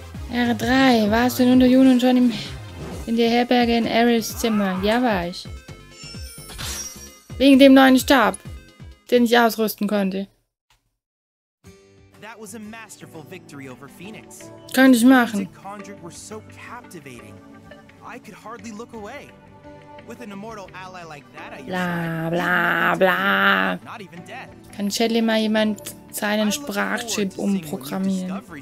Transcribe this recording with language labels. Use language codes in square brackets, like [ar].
[de] R3, warst du in Unterjun und schon in der Herberge in Aerys Zimmer? Ja, war ich. Wegen dem neuen Stab, den ich ausrüsten konnte. [en] That was a masterful victory over Phoenix. [de] Könnte ich machen. Die Conjured waren so captivating. [en] I could hardly look away. With an immortal ally like that, I bla bla bla. [de] Kann Shelly mal jemand seinen Sprachchip umprogrammieren?